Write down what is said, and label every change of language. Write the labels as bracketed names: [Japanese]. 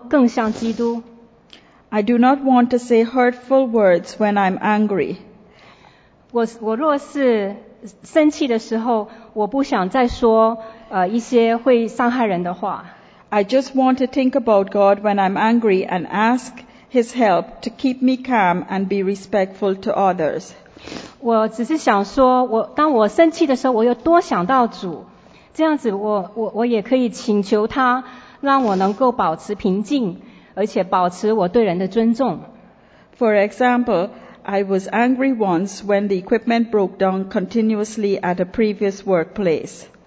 [Chinese] 神同时也光照照亮我的心，就在那一天，他让我看见，我实在是有这样子的一个渴慕，我盼望能够更像基督。 [English] I do not want to say hurtful words when I'm angry. [Chinese] 我若是 生气的时候，我不想再说一些会伤害人的话。 [English] I just want to think about God when I'm angry and ask His help to keep me calm and be respectful to others. [Chinese] 我只是想说，当我生气的时候，我又多想到主，这样子我也可以请求他让我能够保持平静，而且保持我对人的尊重。 [English] For example, I was angry once when the equipment broke down continuously at a previous workplace.